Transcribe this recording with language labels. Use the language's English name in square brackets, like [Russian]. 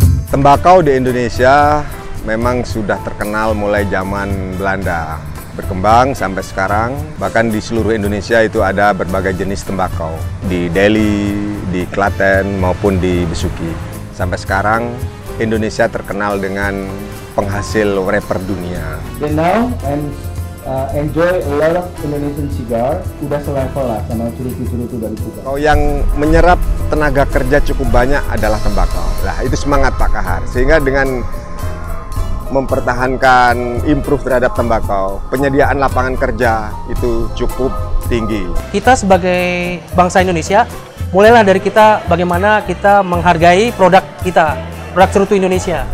[Indonesian] Tembakau di Indonesia memang sudah terkenal mulai zaman Belanda. Berkembang sampai sekarang, bahkan di seluruh Indonesia itu ada berbagai jenis tembakau. Di Delhi, di Klaten, maupun di Besuki. Sampai sekarang, Indonesia terkenal dengan penghasil wrapper dunia. [English] And now, enjoy a lot of Indonesian cigar. [Indonesian] Udah selevel lah sama cerutu-cerutu dari kita. Kalau yang menyerap tenaga kerja cukup banyak adalah tembakau. Nah, itu semangat Pak Kahar. Sehingga dengan mempertahankan improve terhadap tembakau, penyediaan lapangan kerja itu cukup tinggi. Kita sebagai bangsa Indonesia, mulailah dari kita bagaimana kita menghargai produk kita, produk cerutu Indonesia.